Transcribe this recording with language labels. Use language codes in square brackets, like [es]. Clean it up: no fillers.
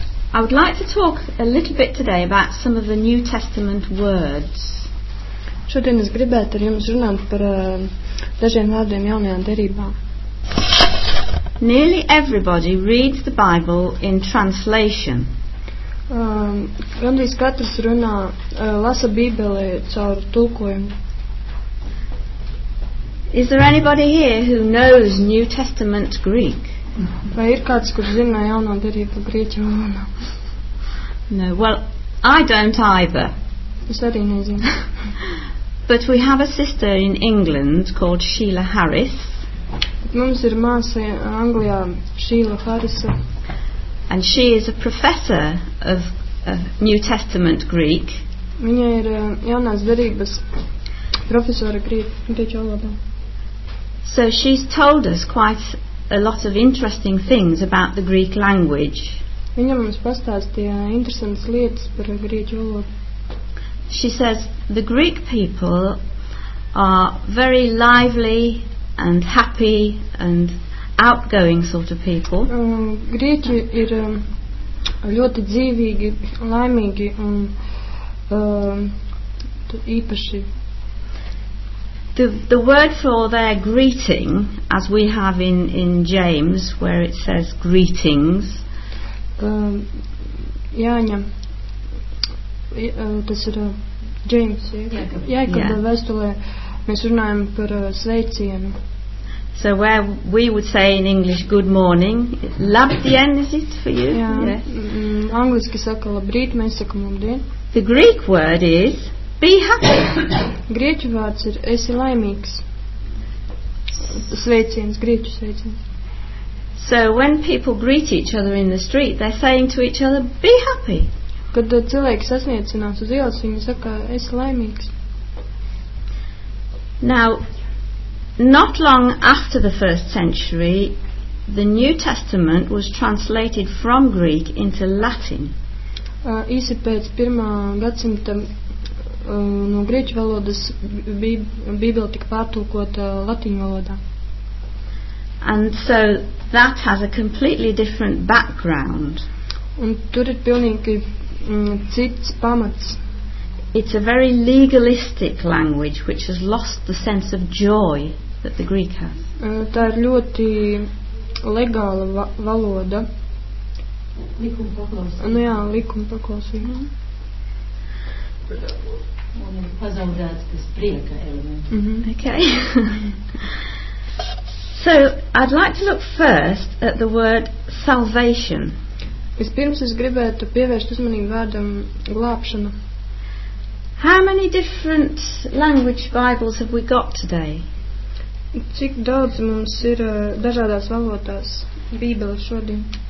[en] I would like to talk a little bit today about some of the New Testament words. [lv] Šodien es gribētu ar jums runāt par dažiem vārdiem jaunajā derībā. [en] Nearly everybody reads the Bible in translation. [lv] Gandrīz katrs runā, lasa Bībeli caur tulkojumu. [en] Is there anybody here who knows New Testament Greek? [lv] Vai ir kāds, kurš zina jaunā derību grieķu valodā? [en] No, well, I don't either. [lv] Es arī nezinu. [en] But we have a sister in England called Sheila Harris. [lv] Mums ir māsa Anglijā, Sheila Harris. [en] And she is a professor of New Testament Greek. [lv] Viņa ir jaunās derības profesora grieķu valodā. [en] So she's told us quite a lot of interesting things about the Greek language. [lv] Viņa mums pastāstīja interesantas lietas par grieķu valodu. [en] She says the Greek people are very lively and happy and outgoing sort of people. [lv] Grieķi ir ļoti dzīvīgi, laimīgi un īpaši. [en] The word for their greeting, as we have in James, where it says greetings. [lv] Jāņa, tas ir James, Jēkaba vēstulē, mēs runājam par sveicienu. [en] So where we would say in English good morning, labdien, is it for you? [lv] Jā, angliski saka labrīt, mēs sakam labdien. [en] The Greek word is be happy. [lv] Grieķu vārds ir esi laimīgs. Sveiciens, grieķu sveiciens. [en] So when people greet each other in the street, they're saying to each other be happy. [lv] Kad cilvēki sasniecinās uz ielas, viņi saka esi laimīgs. [en] Now not long after the first century, the New Testament was translated from Greek into Latin. [lv] Īsi pēc pirmā gadsimta no grieķu valodas Bībele tika pārtulkota latīņu valodā. [en] And so that has a completely different background. [lv] Un tur ir pilnīgi cits pamats. [en] It's a very legalistic language which has lost the sense of joy that the Greek has. [lv] Tā ir ļoti legāla valoda. Likuma paklausība. Nu jā, likuma paklausība. Mm-hmm. Un ir pazaudēts tas prieka elements. Mm-hmm. Okay. [en] So, I'd like to look first at the word salvation. [lv] Vispirms es gribētu pievērst uzmanību vārdam glābšana. [en] How many different language Bibles have we got today? [lv] Cik daudz mums ir dažādās valodās Bībeles šodien?